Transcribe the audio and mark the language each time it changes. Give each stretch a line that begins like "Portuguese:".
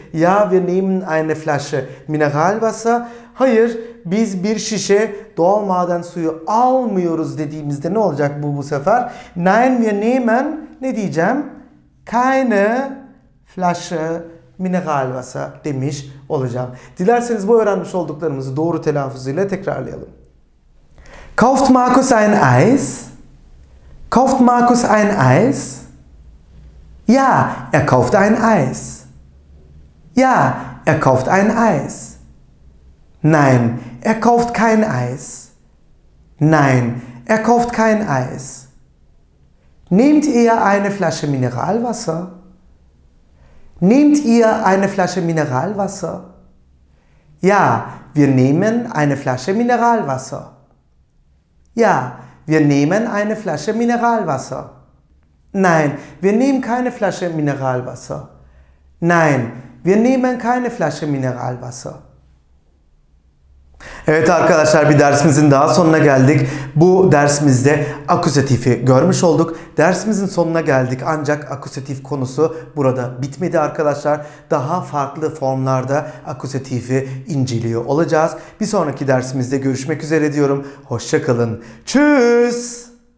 German: Ja, wir nehmen eine Flasche Mineralwasser.
Turkish: Hayır, biz bir şişe doğal maden suyu almıyoruz dediğimizde ne olacak bu sefer?
German: Nein, wir nehmen,
Turkish: ne diyeceğim?
German: Keine Flasche Mineralwasser
Turkish: demiş olacağım. Dilerseniz bu öğrenmiş olduklarımızı doğru telaffuzuyla tekrarlayalım.
German: Kauft Markus ein Eis? Kauft Markus ein Eis? Ja, kauft ein Eis. Ja, kauft ein Eis. Nein, kauft kein Eis. Nein, kauft kein Eis. Nehmt ihr eine Flasche Mineralwasser? Nehmt ihr eine Flasche Mineralwasser? Ja, wir nehmen eine Flasche Mineralwasser. Ja, wir nehmen eine Flasche Mineralwasser. Nein, wir nehmen keine Flasche Mineralwasser. Nein, wir nehmen keine Flasche Mineralwasser.
Turkish: Evet arkadaşlar, bir dersimizin daha sonuna geldik. Bu dersimizde akuzatifi görmüş olduk. Dersimizin sonuna geldik ancak akuzatif konusu burada bitmedi arkadaşlar. Daha farklı formlarda akuzatifi inceliyor olacağız. Bir sonraki dersimizde görüşmek üzere diyorum. Hoşça kalın. Tschüss.